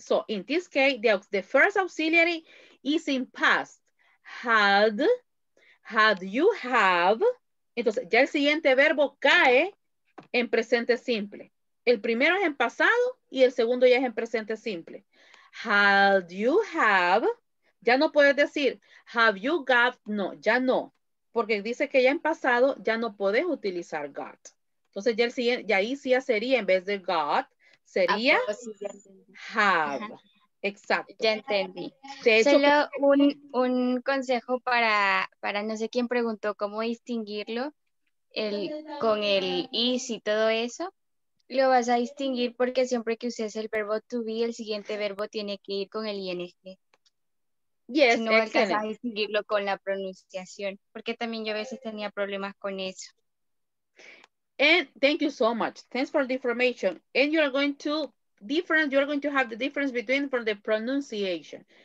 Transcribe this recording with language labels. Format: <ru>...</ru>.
<en>So in this case, the first auxiliary is in past. Had, had you have.</en> <es>Entonces ya el siguiente verbo cae en presente simple. El primero es en pasado y el segundo ya es en presente simple.</es> <en>Had you have.</en> <es>Ya no puedes decir,</es> <en>have you got?</en> <es>No, ya no. Porque dice que ya en pasado ya no puedes utilizar got. Entonces ya el siguiente, ya ahí sí ya sería en vez de got, sería have. Exacto. Ya entendí. Solo un consejo para no sé quién preguntó cómo distinguirlo con el is y todo eso. Lo vas a distinguir porque siempre que uses el verbo to be, el siguiente verbo tiene que ir con el ing.</es> <en>Yes,</en> <es>no alcanzas a distinguirlo con la pronunciación, porque también yo a veces tenía problemas con eso.</es> <en>And thank you so much. Thanks for the information. And you are going to difference, you are going to have the difference between from the pronunciation.</en>